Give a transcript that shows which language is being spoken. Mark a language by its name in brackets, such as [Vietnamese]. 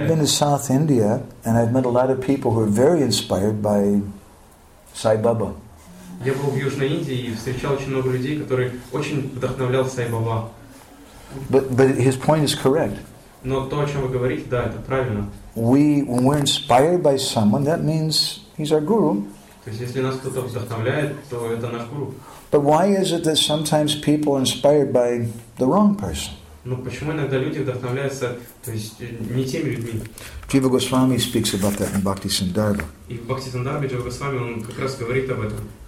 [English] I've been to South India, and I've met a lot of people who are very inspired by Sai Baba. [Russian] Я был в Южной Индии и встречал очень много людей, которые очень вдохновлял Сай Баба. [English] But his point is correct. [Russian] Но то, о чем вы говорите, да, это правильно. [English] When we're inspired by someone, that means he's our guru. [Russian] То есть, если нас кто-то вдохновляет, то это наш гуру. [English] But why is it that sometimes people are inspired by the wrong person? [Russian] Но почему иногда люди вдохновляются, то есть не теми людьми? [English] Джива Госвами speaks about that in Bhakti Sandarbha. [Russian] И в Бхакти Сандарбе Джива Госвами он как раз говорит об этом.